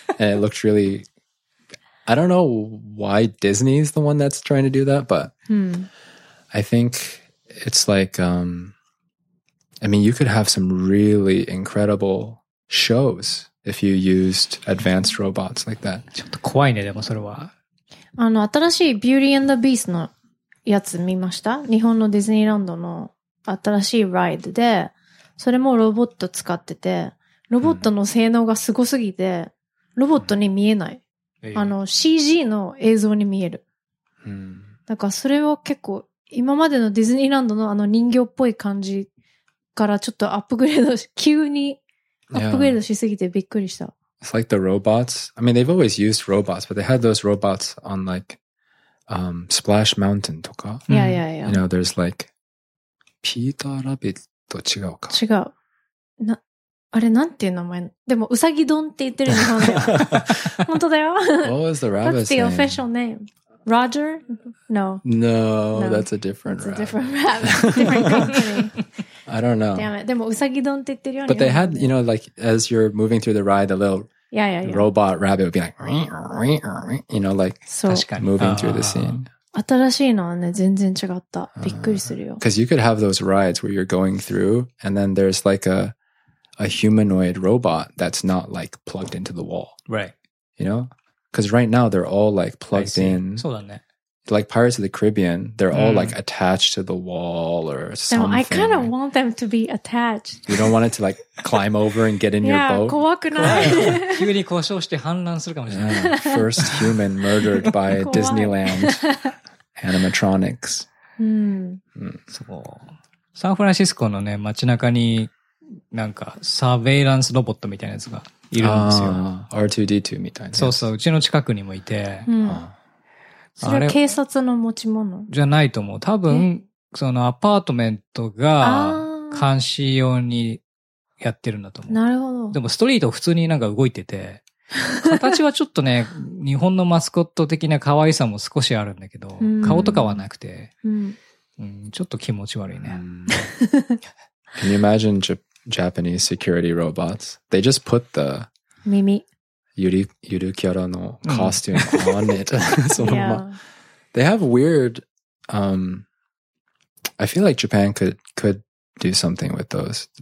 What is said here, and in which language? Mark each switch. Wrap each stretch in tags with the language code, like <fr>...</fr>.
<en>and it looked really, I don't know why Disney is the one that's trying to do that, but、 hmm. I think it's like, I mean, you could have some really incredible shows if you used advanced robots like that.</en> <ja>ちょっと怖いね、でもそれは。あの、新しい Beauty and the Beast のやつ見ました? 日本のディズニーランドの新しいライドで、それもロボット使ってて、ロボットの性能がすごすぎて、ロボットに見えない。あの、CG の映像に見える。だからそれは結構、今までのディズニーランドのあの人形っぽい感じからちょっとアップグレードし、急にアップグレードしすぎてびっくりした。</ja> <en>Yeah. It's like the robots. I mean, they've always used robots, but they had those robots on like, Splash Mountain とか。</en> <ja>いやいやいや。</ja> <en>You know, there's like, ピーターラビット</en> <ja>違うか。違う。な、あれなんていう名前でもウサギドンって言ってる日本で本当だよ</ja> <en>What was the rabbit's name? That's the official name. Roger? No. No, no. that's a different rabbit. That's a different rabbit. different I don't know. Damn it.</en> <ja>でもウサギドンって言ってるよ</ja> <en>But they had, you know, like as you're moving through the ride, the little yeah, yeah, yeah. robot rabbit would be like you know, like moving through the scene.</en> <ja>新しいのはね全然違った。びっくりするよ。</ja> <en>Because you could have those rides where you're going through and then there's like a humanoid robot that's not like plugged into the wall. Right. You know? Because right now they're all like plugged in.</en> <ja>そうだね。</ja> <en>Like Pirates of the Caribbean, they're、mm. all like attached to the wall or something. No, I kind of want them to be attached. You don't want it to like climb over and get in yeah, your boat?</en> <ja>Yeah, 怖くない。急に故障して氾濫するかもしれない。</ja> <en>First human murdered by Disneyland animatronics.</en> <ja>そう。サンフランシスコのね、街中になんか、サーベイランスロボットみたいなやつがいるんですよ。 R2D2 みたいな。そうそう、うちの近くにもいて。うん、それは警察の持ち物じゃないと思う。多分、そのアパートメントが監視用にやってるんだと思う。なるほど。でもストリート普通になんか動いてて、形はちょっとね、日本のマスコット的な可愛さも少しあるんだけど、顔とかはなくて、うんうん、ちょっと気持ち悪いね。</ja> <en>Can you imagine Japanese security robots? They just put the...</en> <ja>耳。ゆるキャラのコスチューム</ja> <en>on it.</en> <ja>そのまま。</ja> <en>They have weird, I feel like Japan could do something with those.</en>